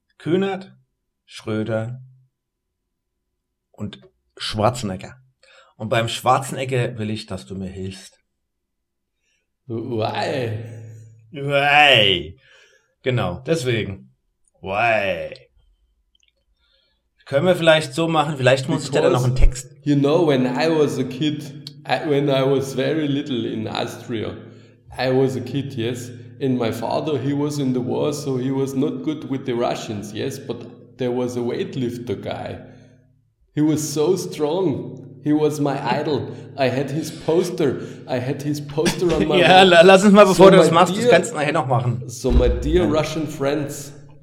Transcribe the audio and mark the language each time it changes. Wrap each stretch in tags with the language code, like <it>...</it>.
<de>Kühnert, Schröder und Schwarzenegger. Und beim Schwarzenegger will ich, dass du mir hilfst.</de> <en>Why? Why?</en> <de>Genau, deswegen. Why? Können wir vielleicht so machen, vielleicht muss ich da noch einen Text.</de> <en>You know, when I was a kid, when I was very little in Austria, I was a kid, yes. And my father, he was in the war, so he was not good with the Russians, yes. But there was a weightlifter guy. He was so strong. He was my idol. I had his poster. I had his poster on my wall.</en> <de>Ja, lass uns mal, bevor du das machst, das kannst du nachher noch machen.</de> <en>So, my dear Russian friends.</en>